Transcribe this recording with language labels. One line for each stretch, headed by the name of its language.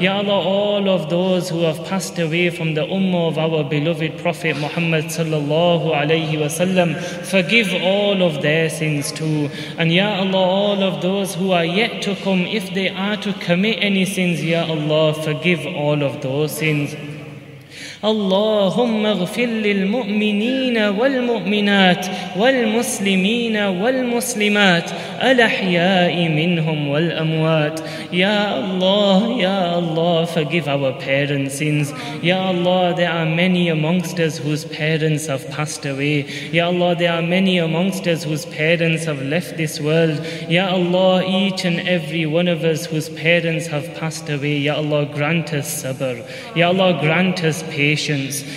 English: Ya Allah, all of those who have passed away from the Ummah of our beloved Prophet Muhammad sallallahu alayhi wa sallam, forgive all of their sins too. And Ya Allah, all of those who are yet to come, if they are to commit any sins, Ya Allah, forgive all of those sins.
Arabic: اللهم اغفر للمؤمنين والمؤمنات والمسلمين والمسلمات الأحياء منهم والأموات. يا الله يا الله
English: forgive our parents' sins. يا الله there are many amongst us whose parents have passed away. يا الله there are many amongst us whose parents have left this world. يا الله each and every one of us whose parents have passed away, يا الله grant us sabr. يا الله grant us patience. patience.